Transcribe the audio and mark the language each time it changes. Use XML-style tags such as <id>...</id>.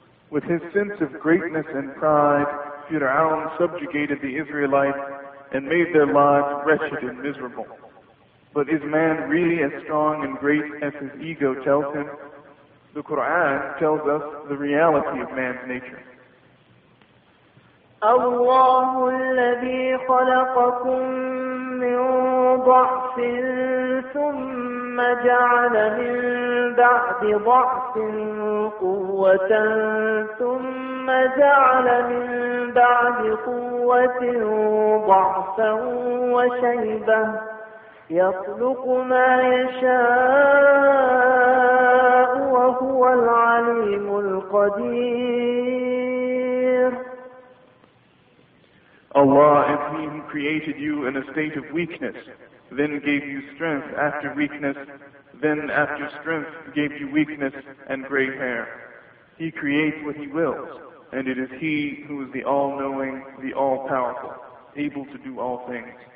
<en>With his sense of greatness and pride, Fir'aun subjugated the Israelites and made their lives wretched and miserable. But is man really as strong and great as his ego tells him? The Quran tells us the reality of man's nature.</en> <ar>الله الذي خلقكم من ضعف ثم جعل من بعد ضعف قوة ثم جعل من بعد قوة ضعفا وشيبة يخلق ما يشاء وهو العليم القدير.</ar> <en>Allah is He who created you in a state of weakness, then gave you strength after weakness, then after strength gave you weakness and gray hair. He creates what He wills, and it is He who is the all-knowing, the all-powerful, able to do all things.</en>